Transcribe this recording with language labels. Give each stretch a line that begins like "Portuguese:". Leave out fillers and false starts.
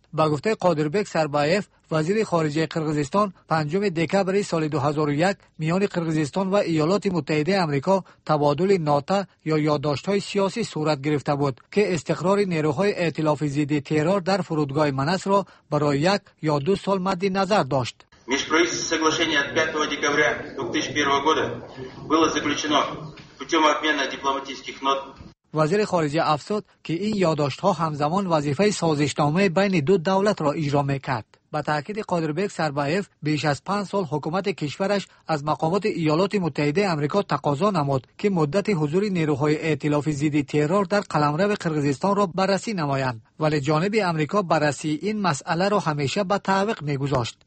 Persian: با گفته قادربیک سربایف وزیر خارجه قرغیزستان 5 دکمبر سال 2001 میان قرغیزستان و ایالات متحده آمریکا تبادل نوتا یا یادداشت‌های سیاسی صورت گرفته بود که استقرار نیروهای ائتلاف ضد ترور در فرودگاه مناس را برای 1 یا 2 سال مد نظر داشت.
Russian: Межправительственное соглашение от 5 декабря 2001 года было заключено путём обмена дипломатических нот.
Persian: وزیر خارجه افسود که این یادداشت‌ها همزمان وظیفه سازشنامه بین دو دولت را اجرا می‌کرد. با تأکید قادربیک سربایف بیش از 5 سال حکومت کشورش از مقامات ایالات متحده آمریکا تقاضا نمود که مدت حضور نیروهای ائتلاف ضد ترور در قلمرو قرغیزستان را بررسی نمایند، ولی جانب آمریکا بررسی این مسئله را همیشه به تعویق می‌گذاشت.